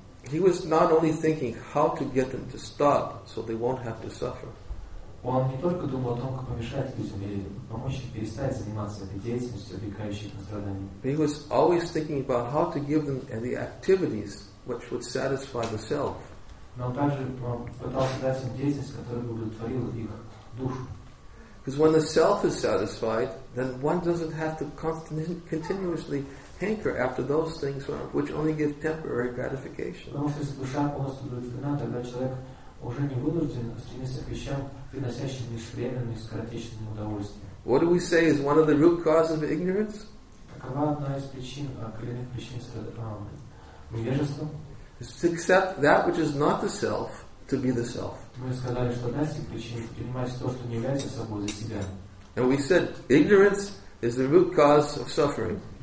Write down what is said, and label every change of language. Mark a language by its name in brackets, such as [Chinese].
[English] He was not only thinking how to get them to stop so they won't have to suffer. But he was always thinking about how to give them the activities which would satisfy the self. [Russian] Но также пытался дать им деятельность, которая бы удовлетворила их душу. [English] Because when the self is satisfied, then one doesn't have to continuously hanker after those things which only give temporary gratification. [Russian] Потому что если душа полностью удовлетворена, тогда человек уже не вынужден стремиться к вещам, приносящим лишь временное и скоротечное удовольствие. [English] What do we say is one of the root causes of ignorance? [Russian] Какова одна из причин, коренных причин невежества? [English] Is to accept that which is not the self to be the self. And we said ignorance is the root cause of suffering.